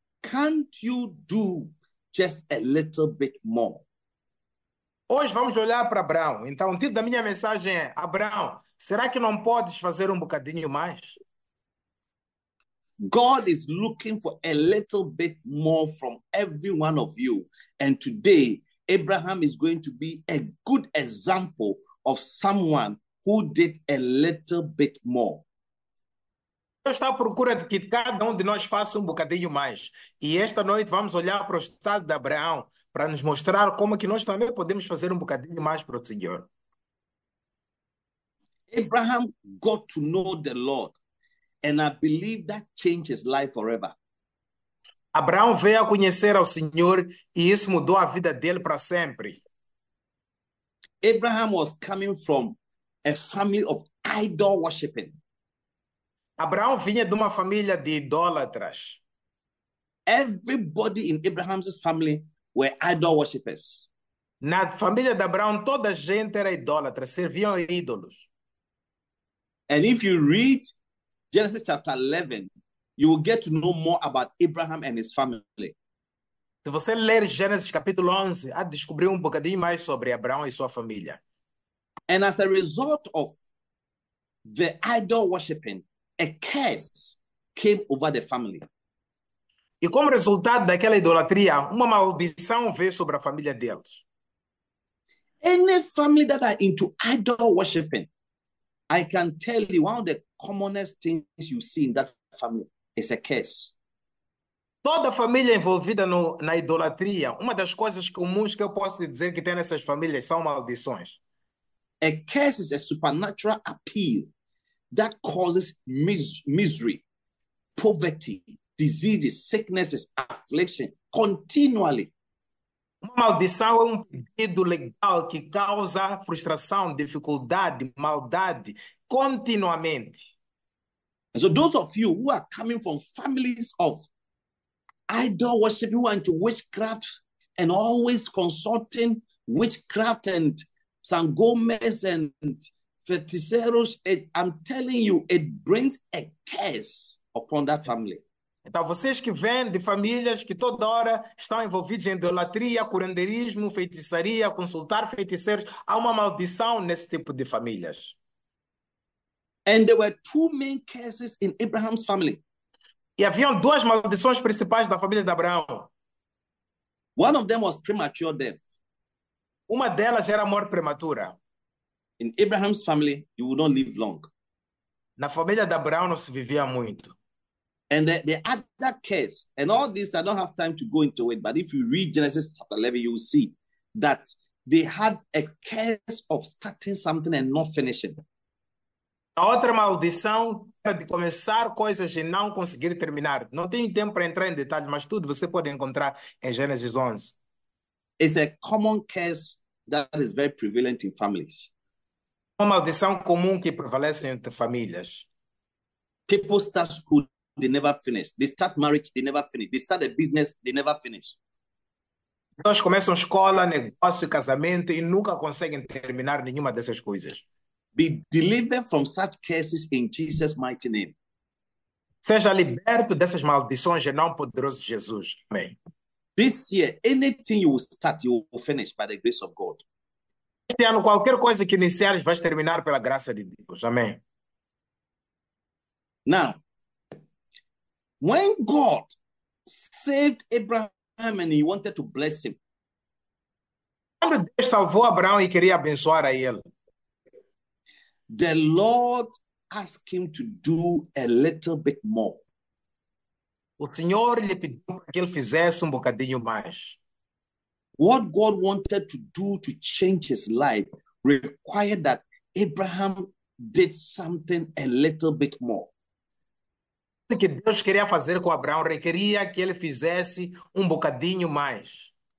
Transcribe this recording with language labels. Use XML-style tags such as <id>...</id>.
<en>Can't you do just a little bit more?</en> <pt>Hoje vamos olhar para Abraão. Então, o título da minha mensagem é: Abraão, será que não podes fazer bocadinho mais?</pt> <en>God is looking for a little bit more from every one of you. And today, Abraham is going to be a good example of someone who did a little bit more.</en> <pt>Deus está à procura de que cada de nós faça bocadinho mais. E esta noite vamos olhar para o estado de Abraão para nos mostrar como que nós também podemos fazer bocadinho mais para o Senhor.</pt> <en>Abraham got to know the Lord, and I believe that changed his life forever.</en> <pt>Abraão veio a conhecer ao Senhor e isso mudou a vida dele para sempre.</pt> <en>Abraham was coming from a family of idol worshiping.</en> <pt>Abraão vinha de uma família de idólatras.</pt> <en>Everybody in Abraham's family were idol worshippers.</en> <pt>Na família de Abraão, toda a gente era idólatra, serviam ídolos.</pt> <en>And if you read Genesis chapter 11, you will get to know more about Abraham and his family.</en> <pt>Se você ler Gênesis capítulo 11, há de descobrir bocadinho mais sobre Abraão e sua família.</pt> <en>And as a result of the idol worshiping, a curse came over the family.</en> <pt>E como resultado daquela idolatria, uma maldição veio sobre a família deles.</pt> <en>Any family that are into idol worshiping, I can tell you one of the commonest things you see in that family is a curse.</en> <pt>Toda a família envolvida no, na idolatria, uma das coisas comuns que eu posso dizer que tem nessas famílias são maldições.</pt> <en>A curse is a supernatural appeal that causes misery, poverty, diseases, sicknesses, affliction, continually.</en> <pt>Uma maldição é pedido legal que causa frustração, dificuldade, maldade, continuamente.</pt> <en>And so those of you who are coming from families of idol worship, who are into witchcraft and always consulting witchcraft and San Gomez and Feticeiros, I'm telling you, it brings a curse upon that family.</en> <pt>Então, vocês que vêm de famílias que toda hora estão envolvidos em idolatria, curanderismo, feitiçaria, consultar feiticeiros, há uma maldição nesse tipo de famílias.</pt> <en>And there were two main curses in Abraham's family.</en> <pt>E haviam duas maldições principais da família de Abraão.</pt> <en>One of them was premature death.</en> <pt>Uma delas era a morte prematura.</pt> <en>In Abraham's family, you would not live long.</en> <pt>Na família de Abraão não se vivia muito.</pt> <en>And the other curse, and all this, I don't have time to go into it, but if you read Genesis chapter 11, you will see that they had a curse of starting something and not finishing.</en> <pt>A outra maldição era de começar coisas e não conseguir terminar. Não tenho tempo para entrar em detalhes, mas tudo você pode encontrar em Genesis 11.</pt> <en>It's a common curse that is very prevalent in families.</en> <pt>Uma maldição comum que prevalece entre famílias.</pt> <en>People start school, they never finish. They start marriage, they never finish. They start a business, they never finish.</en> <pt>Pessoas começam escola, negócio, casamento e nunca conseguem terminar nenhuma dessas coisas.</pt> <en>Be delivered from such curses in Jesus' mighty name.</en> <pt>Seja liberto dessas maldições em nome poderoso de Jesus. Amém.</pt> <en>This year, anything you will start, you will finish by the grace of God.</en> <pt>Este ano, qualquer coisa que iniciares, vais terminar pela graça de Deus. Amém.</pt> <en>Now, when God saved Abraham and he wanted to bless him,</en> <pt>quando Deus salvou Abraão e queria abençoar a ele,</pt> <en>the Lord asked him to do a little bit more.</en> <pt>O Senhor lhe pediu que ele fizesse bocadinho mais.</pt> <en>What God wanted to do to change his life required that Abraham did something a little bit more.</en> <pt>O que Deus queria fazer com Abraão requeria que ele fizesse um bocadinho mais.</pt>